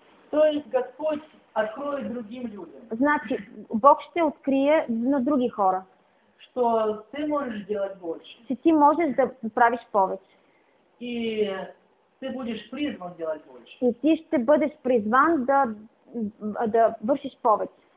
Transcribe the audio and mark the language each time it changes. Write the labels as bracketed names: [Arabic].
[Russian] То есть Господь откроет другим людям. [Bulgarian] Значи, Бог ще открие на други хора, [Russian] что ты можешь делать больше. [Bulgarian] Че ти можеш да правиш повече. [Russian] И ты будешь призван делать больше. [Bulgarian] И ти ще бъдеш призван да вършиш повече.